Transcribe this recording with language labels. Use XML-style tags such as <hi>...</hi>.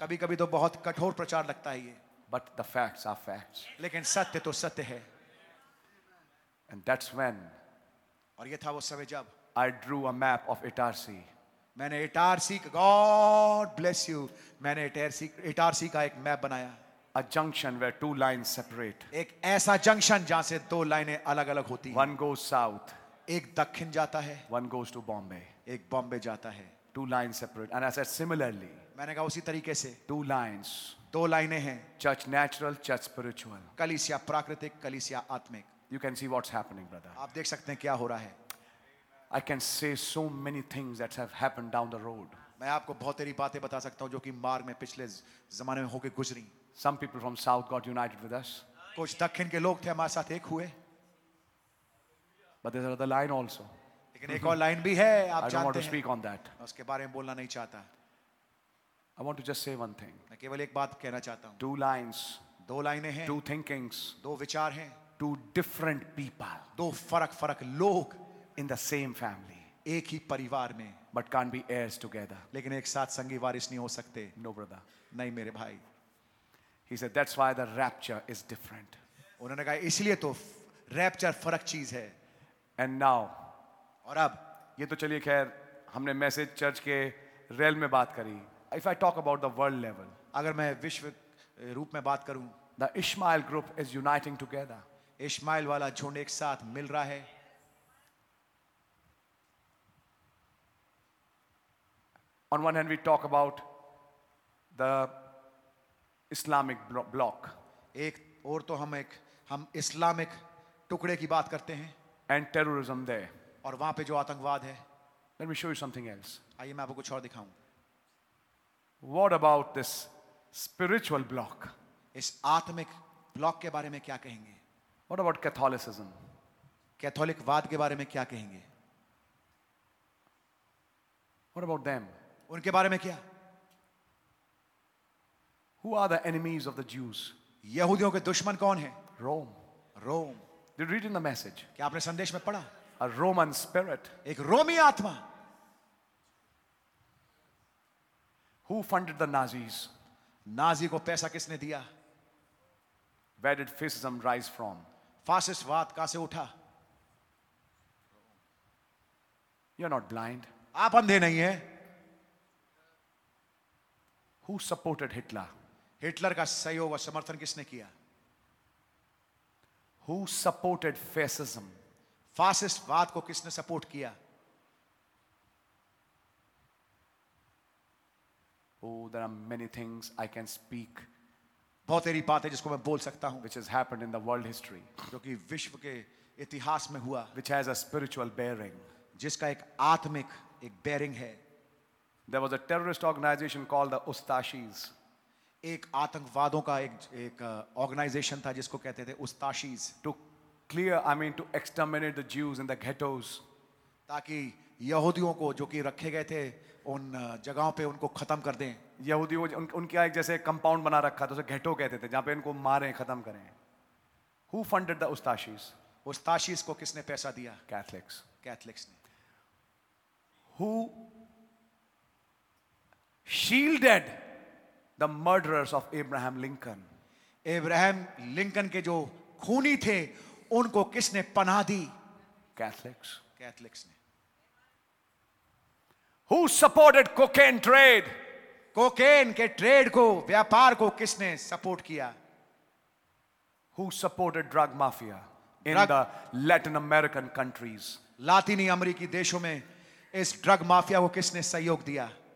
<hi>कभी कभी तो बहुत कठोर प्रचार लगता है ये.</hi> <en>But the facts are facts.</en> <hi>लेकिन सत्य तो सत्य है.</hi> <en>And that's when.</en> <hi>और ये था वो समय जब.</hi> <en>I drew a map of Itarsi.</en> <hi>मैंने इटारसी का,</hi> <en>God bless you.</en> <hi>मैंने इटारसी का एक मैप बनाया.</hi> <en>A junction where two lines separate.</en> <hi>एक ऐसा जंक्शन जहां से दो लाइनें अलग अलग होती हैं.</hi> <en>One goes south.</en> <hi>एक दक्षिण जाता है.</hi> <en>One goes to Bombay.</en> <hi>एक बॉम्बे जाता है.</hi> <en>Two lines separate. And I said similarly.</en> <hi>मैंने कहा उसी तरीके से.</hi> <en>Two lines.</en> <hi>दो लाइनें हैं.</hi> <en>Church natural, church spiritual.</en> <hi>कलीसिया प्राकृतिक, कलीसिया आत्मिक.</hi> <en>You can see what's happening, brother.</en> <hi>आप देख सकते हैं क्या हो रहा है.</hi> <en>I can say so many things that have happened down the road.</en> <hi>मैं आपको बहुत तेरी बातें बता सकता हूँ जो कि मार्ग में पिछले जमाने में होके गुजरी.</hi> <en>Some people from South got united with us.</en> <hi>कुछ दक्षिण के लोग थे हमारे साथ एक हुए.</hi> <en>But there's another line also.</en> <hi>लेकिन एक और लाइन भी है आप जानते हैं.</hi> <en>I don't want to speak on that.</en> <hi>उसके बारे में बोलना नहीं चाहता.</hi> <en>I want to just say one thing.</en> <hi>मैं केवल एक बात कहना चाहता हूँ.</hi> <en>Two lines.</en> <hi>दो लाइनें हैं.</hi> <en>Two thinkings.</en> <hi>दो विचार हैं.</hi> <en>Two different people.</en> <hi>दो फरक लोग.</hi> <en>In the same family.</en> <hi>एक ही परिवार में.</hi> <en>But can't be heirs together.</en> <hi>लेकिन एक साथ संगी वारिस नहीं हो सकते.</hi> <en>No brother.</en> <hi>नहीं मेरे भाई.</hi> <en>He said that's why the rapture is different.</en> <hi>उन्होंने कहा इसलिए तो rapture फरक चीज है.</hi> <en>And now.</en> <hi>और अब. ये तो चलिए खैर हमने message church के realm में बात करी.</hi> <en>If I talk about the world level.</en> <hi>अगर मैं विश्व रूप में बात करूं.</hi> <en>The Ishmael group is uniting together.</en> <hi>Ishmael वाला झुंड एक साथ मिल रहा है.</hi> <en>On one hand, we talk about the Islamic block.</en> <hi>एक और तो हम इस्लामिक टुकड़े की बात करते हैं.</hi> <en>And terrorism there.</en> <hi>और वहाँ पे जो आतंकवाद है.</hi> <en>Let me show you something else.</en> <hi>आइए मैं आपको कुछ और दिखाऊँ.</hi> <en>What about this spiritual block?</en> <hi>इस आत्मिक ब्लॉक के बारे में क्या कहेंगे?</hi> <en>What about Catholicism?</en> <hi>कैथोलिक वाद के बारे में क्या कहेंगे?</hi> <en>What about them?</en> <hi>उनके बारे में क्या?</hi> <en>Who are the enemies of the Jews?</en> <hi>यहूदियों के दुश्मन कौन हैं?</hi> <en>Rome. Rome. Did you read in the message?</en> <hi>क्या आपने संदेश में पढ़ा?</hi> <en>A Roman spirit.</en> <hi>एक रोमी आत्मा.</hi> <en>Who funded the Nazis?</en> <hi>Nazi को पैसा किसने दिया?</hi> <en>Where did fascism rise from?</en> <hi>Fascist वाद कहाँ से उठा?</hi> <en>You're not blind.</en> <hi>आप अंधे नहीं हैं.</hi> <en>Who supported Hitler?</en> <hi>हिटलर का सहयोग और समर्थन किसने किया?</hi> <en>Who supported fascism?</en> <hi>फासिस्ट वाद को किसने सपोर्ट किया?</hi> <en>Oh, there are many things I can speak.</en> <hi>बहुत तेरी बात है जिसको मैं बोल सकता हूँ.</hi> <en>Which has happened in the world history.</en> <hi>जो कि विश्व के इतिहास में हुआ.</hi> <en>Which has a spiritual bearing.</en> <hi>जिसका एक आत्मिक एक bearing है.</hi> <en>There was a terrorist organization called the Ustashis.</en> <hi>एक आतंकवादों का एक organization था जिसको कहते थे Ustashis.</hi> <en>To exterminate the Jews in the ghettos.</en> <hi>ताकि यहूदियों को जो कि रखे गए थे उन जगहों पे उनको खत्म कर दें. यहूदी उनका एक जैसे कंपाउंड बना रखा था उसे घेटो कहते थे जहां पे इनको मारें खत्म करें.</hi> <en>Who funded the Ustashis?</en> <hi>Ustashis को किसने पैसा दिया?</hi> <en>Catholics.</en> <hi>Catholics ने.</hi> <en>Who shielded the murderers of Abraham Lincoln?</en> <hi>Abraham Lincoln के जो खूनी थे उनको किसने पनाह दी?</hi> <en>Catholics.</en> <hi>Catholics ने.</hi> <en>Who supported cocaine trade?</en> <hi>Cocaine के ट्रेड को व्यापार को किसने सपोर्ट किया?</hi> <en>Who supported drug mafia in the Latin American countries?</en> <hi>लातिनी अमेरिकी देशों में इस ड्रग माफिया को किसने सहयोग दिया?</hi>